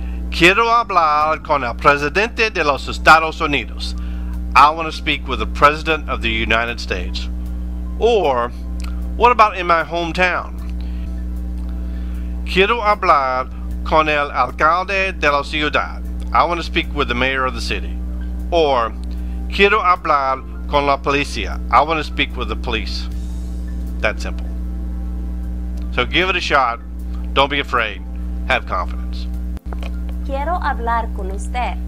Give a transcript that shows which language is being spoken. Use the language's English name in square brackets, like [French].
[Spanish] Quiero hablar con el presidente de los Estados Unidos. [English] I want to speak with the president of the United States. Or, what about in my hometown? [Spanish] Quiero hablar con el alcalde de la ciudad. [English] I want to speak with the mayor of the city. [Spanish] Or, quiero hablar con la policía. [English] I want to speak with the police. That simple. So give it a shot. Don't be afraid. Have confidence. [Spanish] Quiero hablar con usted.